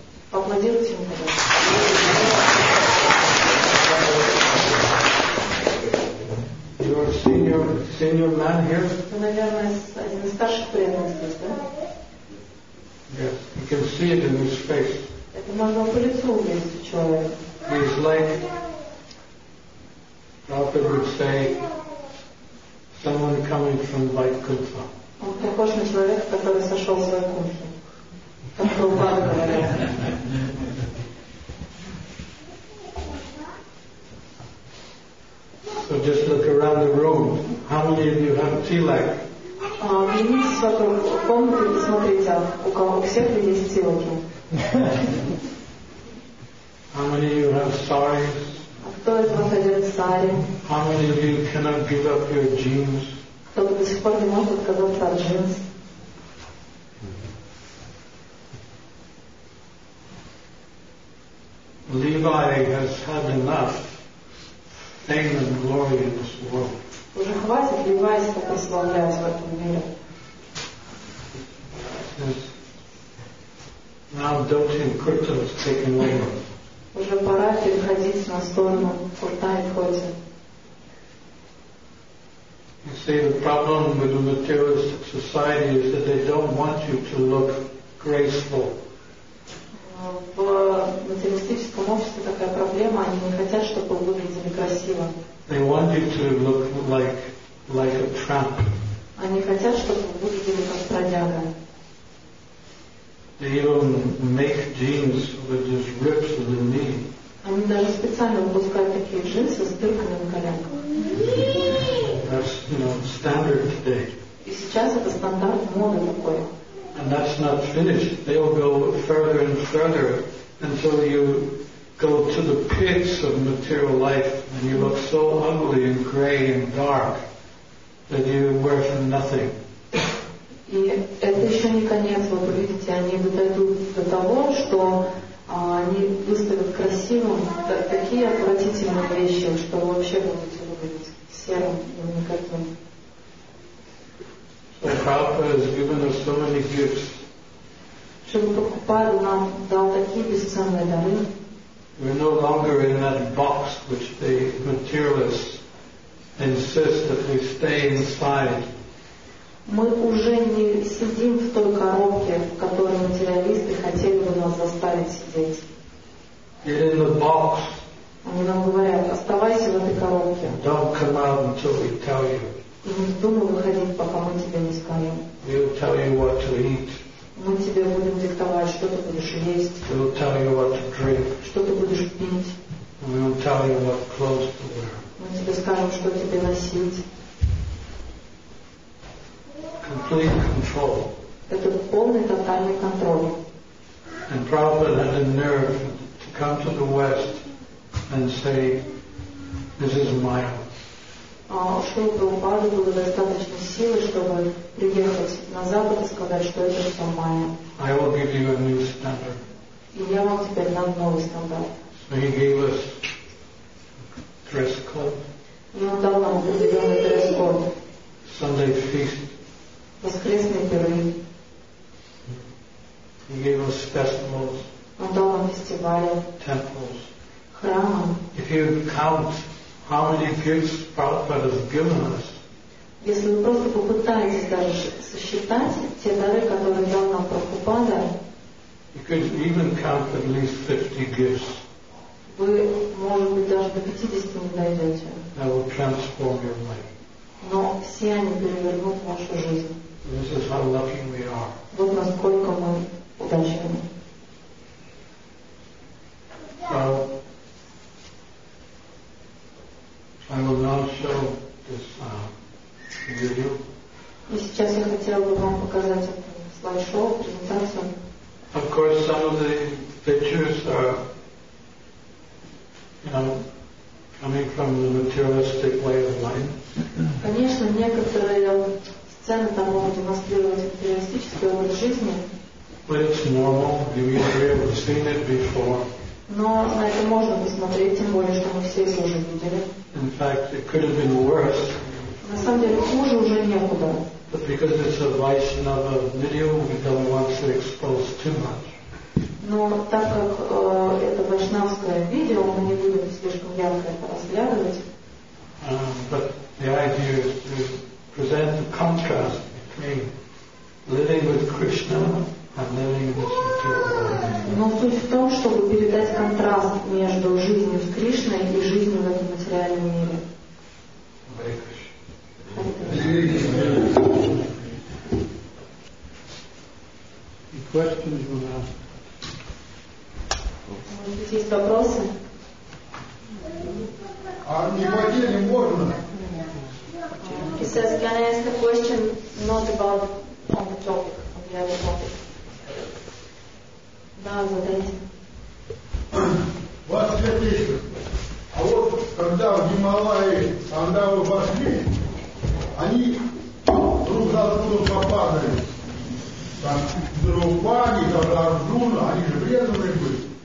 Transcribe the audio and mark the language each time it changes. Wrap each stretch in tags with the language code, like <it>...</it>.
<ru>Поаплодируйте ему, пожалуйста.</ru> <en>You are senior man here.</en> <ru>Вы, наверное, один из старших преданных здесь, да?</ru> <en>Yes, you can see it in his face.</en> <ru>Это можно по лицу увидеть у человека.</ru> <en>He is like, Prabhupada would say, someone coming from Vaikuntha.</en> <ru>Он похож на человека, который сошел с Вайкунтхи. Как Прабхупада говорил.</ru> <en>So just look around the room. How many of you have tilak?</en> <ru>Оглянитесь вокруг комнаты, посмотрите, у кого всех есть тилаки.</ru> <en>How many of you have saris?</en> <ru>Кто из вас одет сари?</ru> <en>How many of you cannot give up your jeans?</en> <ru>Кто до сих пор не может отказаться от джинс?</ru> <en>Levi has had enough. Fame and glory in this world.</en> <ru>Уже хватит Левайска прославлять в этом мире.</ru> <en>Now Doti and Kurta has taken over.</en> <ru>Уже пора переходить на сторону Курта и Хоти.</ru> <en>You see, the problem with the materialistic society is that they don't want you to look graceful.</en> <ru>В материалистическом обществе такая проблема, они не хотят, чтобы вы выглядели красиво.</ru> <en>They want you to look like a tramp.</en> <ru>Они хотят, чтобы вы выглядели как бродяга.</ru> <en>They even make jeans with just rips in the knee.</en> <ru>Они даже специально выпускают такие джинсы с дырками на коленках.</ru> <en>That's, you know, standard today.</en> <ru>И сейчас это стандарт моды такой.</ru> <en>And that's not finished. They will go further and further until you go to the pits of material life and you look so ugly and grey and dark that you wear for nothing.</en> <ru>И это еще не конец, вы видите, они дойдут до того, что они выставят красивым такие отвратительные вещи, что вы вообще будете выглядеть серым и никаким.</ru> <en>The Prabhupada has given us so many gifts.</en> <ru>Чтобы Прабхупада нам дал такие бесценные дары.</ru> <en>We're no longer in that box which the materialists insist that we stay inside.</en> <ru>Мы уже не сидим в той коробке, в которой материалисты хотели бы нас заставить сидеть.</ru> <en>Get in the box.</en> <ru>Они нам говорят, оставайся в этой коробке.</ru> <en>Don't come out until we tell you.</en> <ru>И не думай выходить, пока мы тебе не скажем.</ru> <en>We'll tell you what to eat.</en> <ru>Мы тебе будем диктовать, что ты будешь есть.</ru> <en>We'll tell you what to drink.</en> <ru>Что ты будешь пить.</ru> <en>We'll tell you what clothes to wear.</en> <ru>Мы тебе скажем, что тебе носить.</ru> <en>Complete control.</en> <ru>Это полный, тотальный контроль.</ru> <en>And Prabhupada had the nerve to come to the West and say, this is my home.</en> <ru>Чтобы у Бады было достаточно силы, чтобы приехать на Запад и сказать, что это все мое.</ru> <en>I will give you a new standard.</en> <ru>И я вам теперь дам новый стандарт.</ru> <en>So he gave us dress code.</en> <ru>И он дал нам определенный дресс-код.</ru> <en>Sunday feast.</en> <ru>Воскресные пиры.</ru> <en>He gave us festivals.</en> <ru>Он дал нам фестивали.</ru> <en>Temples.</en> <ru>Храмы.</ru> <en>If you count how many gifts Prabhupada has given us?</en> <ru>Если вы просто попытаетесь даже сосчитать те дары, которые дал нам Прабхупада,</ru> <en>you could even count at least 50 gifts.</en> <ru>Вы, может быть, даже до 50 не дойдете.</ru> <en>That will transform your life.</en> <ru>Но все они перевернут вашу жизнь.</ru> <en>This is how lucky we are.</en> <ru>Вот насколько мы удачливы.</ru> <en>I will now show this video.</en> <ru>И сейчас я хотела бы вам показать этот слайд-шоу, презентацию.</ru> <en>Of course, some of the pictures are, coming from the materialistic way of life.</en> <ru>Конечно, некоторые сцены там могут демонстрировать материалистический образ жизни.</ru> <en>But it's normal. You may have ever seen it before.</en> <ru>Но на это можно посмотреть, тем более, что мы все это уже видели.</ru> <en>In fact, it could have been worse.</en> <ru>На самом деле, хуже уже некуда.</ru> <en>But because it's a Vaishnava video, we don't want to expose too much.</en> <ru>Но так как это вайшнавское видео, мы не будем слишком ярко это разглядывать.</ru> <en>But the idea is to present the contrast between living with Krishna and living in this material world.</en> <ru>Но суть в том, чтобы передать контраст между жизнью с Кришной и жизнью в этом материальном мире. Может быть, есть вопросы? А не по теме можно?</ru> <en>He says, can I ask a question not about on the topic, on the other topic?</en> <ru>Да, задайте. Вас святейшие, а вот когда в Гималаи, когда вы вошли, они друг за другом попадали. Там Друпади, там Арджуна, они же преданные были.</ru>